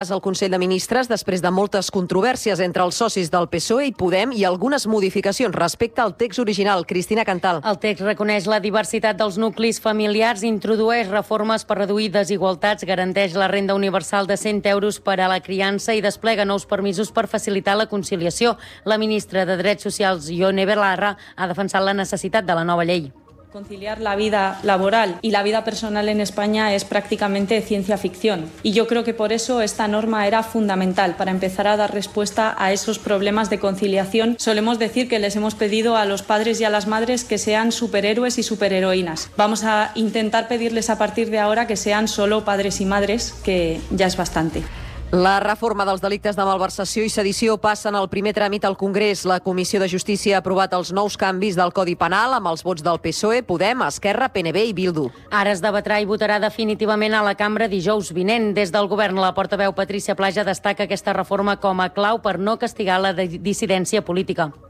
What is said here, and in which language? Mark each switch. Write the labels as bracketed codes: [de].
[ca] El Consell de Ministres, després de moltes controvèrsies entre els socis del PSOE i Podem i algunes modificacions respecte al text original. Cristina Cantal. El text reconeix la diversitat dels nuclis familiars, introdueix reformes per reduir desigualtats, garanteix la renda universal de 100 euros per a la criança i desplega nous permisos per facilitar la conciliació. La ministra de Drets Socials, Ione Belarra, ha defensat la necessitat de la nova llei. [es] Conciliar la vida laboral y la vida personal en España es prácticamente ciencia ficción. Y yo creo que por eso esta norma era fundamental, para empezar a dar respuesta a esos problemas de conciliación. Solemos decir que les hemos pedido a los padres y a las madres que sean superhéroes y superheroínas. Vamos a intentar pedirles a partir de ahora que sean solo padres y madres, que ya es bastante. [ca] La reforma dels delictes de malversació i sedició passa en el primer tràmit al Congrés. La Comissió de Justícia ha aprovat els nous canvis del Codi Penal amb els vots del PSOE, Podem, Esquerra, PNB i Bildu. Ara es debatrà i votarà definitivament a la cambra dijous vinent. Des del govern, la portaveu Patrícia Plaja destaca aquesta reforma com a clau per no castigar la dissidència política.